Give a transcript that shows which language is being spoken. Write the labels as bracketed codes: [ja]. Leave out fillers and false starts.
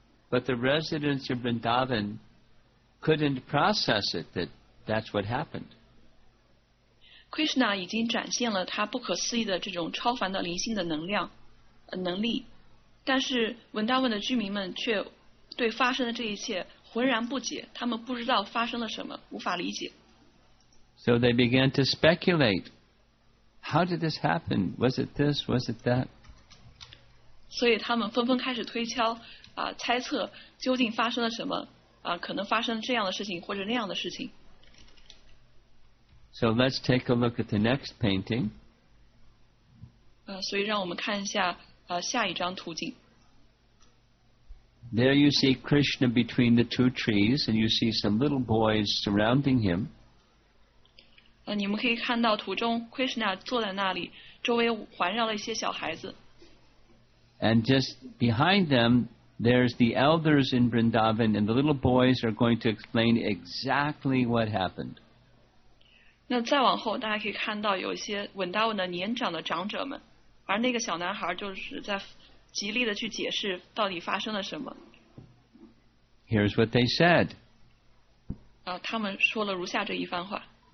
[en] But the residents of Vrindavan couldn't process it that that's what happened. [zh] Krishna 已经展现了他不可思议的这种超凡的灵性的能量、能力，但是文达文的居民们却对发生的这一切浑然不解，他们不知道发生了什么，无法理解。 [en] So they began to speculate. How did this happen? Was it this? Was it that? [zh] 所以他们纷纷开始推敲。猜测究竟发生了什么可能发生这样的事情或者那样的事情。 [en] So let's take a look at the next painting. [zh] 所以让我们看一下下一张图景。 [en] There you see Krishna between the two trees and you see some little boys surrounding him. [zh] 你们可以看到图中 Krishna 坐在那里，周围环绕了一些小孩子。 [en] And just behind them,There's the elders in Vrindavan, and the little boys are going to explain exactly what happened. [zh] 那再往后，大家可以看到有一些文达文的年长的长者们，而那个小男孩就是在极力的去解释到底发生了什么。 [en] Here's what they said. [zh] 他们说了如下这一番话。